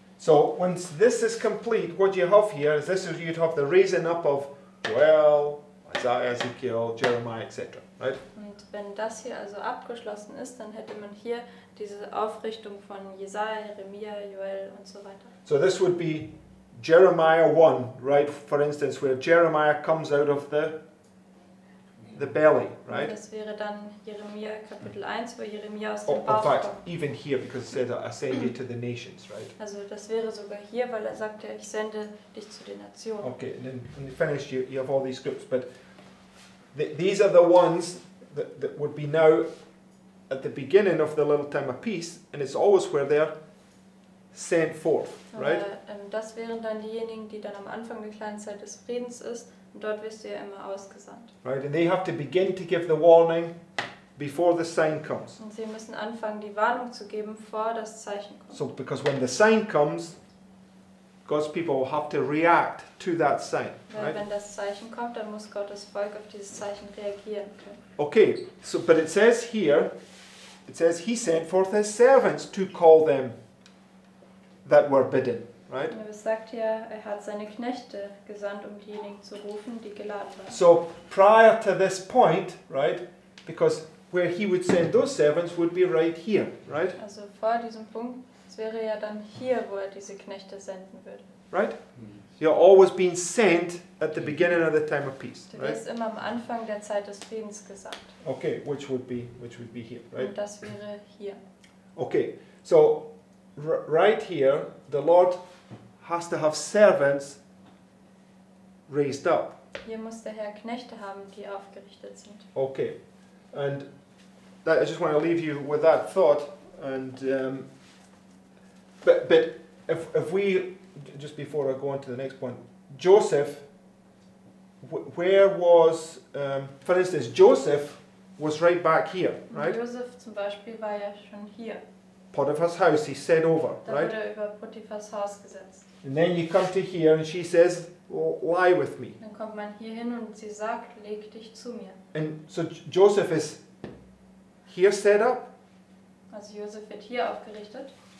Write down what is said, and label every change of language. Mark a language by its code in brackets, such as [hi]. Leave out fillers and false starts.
[en] So, once this is complete, what you have here is this is you'd have the raising up of, well, Isaiah, Ezekiel, Jeremiah, etc. Right? [de] Und wenn das hier also abgeschlossen ist, dann hätte man hier diese Aufrichtung von Jesaja, Jeremia, Joel und so weiter. [en] So, this would be Jeremiah 1, right? For instance, where Jeremiah comes out of the belly, right? [de] Das wäre dann Jeremia Kapitel 1, wo Jeremia aus dem Bauch kommt. [en] Even here, because it said, I send you to the nations, right? [de] Also das wäre sogar hier, weil er sagt ja, ich sende dich zu den Nationen. [en] Okay, and then when you finish, you have all these groups, but these are the ones that would be now at the beginning of the little time of peace, and it's always where they're sent forth, right? [de] Das wären dann diejenigen, die dann am Anfang der kleinen Zeit des Friedens ist. Und dort wirst du ja immer ausgesandt. [en] Right, and they have to begin to give the warning before the sign comes. [de] Und sie müssen anfangen, die Warnung zu geben, vor das Zeichen kommt. [en] So, because when the sign comes, God's people will have to react to that sign. [de] Weil [en] right? [de] Wenn das Zeichen kommt, dann muss Gottes Volk auf dieses Zeichen reagieren können. [en] Okay, so, but it says here, it says he sent forth his servants to call them that were bidden. Right? [de] Er sagt ja, er hat seine Knechte gesandt, um diejenigen zu rufen, die geladen waren. [en] So prior to this point, right? Because where he would send those servants would be right here, right? [de] Also vor diesem Punkt, es wäre ja dann hier, wo er diese Knechte senden würde. [en] Right? You're always being sent at the beginning of the time of peace. [de] Du wirst immer am Anfang der Zeit des Friedens gesandt. [en] Okay, which would be here, right? [de] Und das wäre hier. [en] Okay, so right here, the Lord has to have servants raised up. [de] Hier muss der Herr Knechte haben, die aufgerichtet sind. [en] Okay, and that, I just want to leave you with that thought. And but if we just before I go on to the next point, Joseph, where was for instance, Joseph was right back here, right? [de] Joseph zum Beispiel war ja schon hier. [en] Potiphar's house, he's sent over, [de] dann [en] right? [de] Dann wurde er über Potiphar's Haus gesetzt. [en] And then you come to here and she says, lie with me. [de] Dann kommt man hier hin und sie sagt, leg dich zu mir. [en] And so Joseph is here set up. [de] Also Joseph wird hier aufgerichtet.